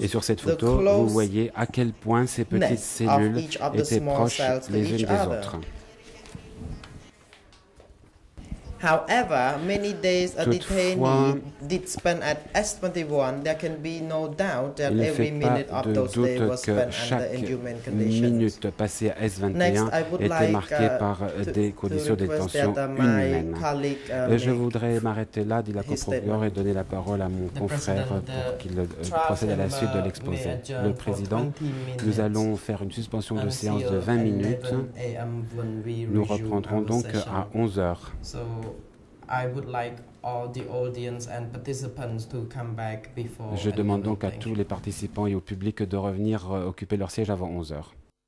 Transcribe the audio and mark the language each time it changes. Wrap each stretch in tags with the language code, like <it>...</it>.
<fr>Et sur cette photo, vous voyez à quel point ces petites cellules étaient proches les unes des autres.</fr> <en>However, many days a detainee did spend at S21, there can be no doubt that every minute of those days was spent under inhumane conditions. Next, I would like to request that my colleague</en> <fr>je voudrais m'arrêter là, dit la coprocureure, et donner la parole à mon confrère pour qu'il procède à la suite de l'exposé. Le président, nous allons faire une suspension de séance de 20 minutes. Nous reprendrons donc à 11h.</fr> <en>I would like all the audience and participants to come back before.</en> <fr>Je demande donc à tous les participants et au public de revenir occuper leur siège avant 11h.</fr>